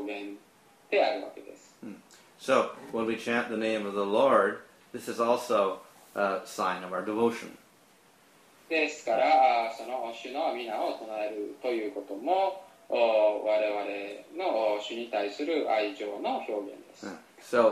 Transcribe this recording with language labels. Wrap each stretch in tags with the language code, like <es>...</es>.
<ja>で、まあ、いずれにしても、この何かを捧げるというのは、我々の、まあ、主に対する愛の表現であるわけです。</ja> <en>So, when we chant the name of the Lord, this is also a sign of our devotion.</en> <ja>ですから、その主の皆を唱えるということも、我々の主に対する愛情の表現です。</ja> <en>So,</en>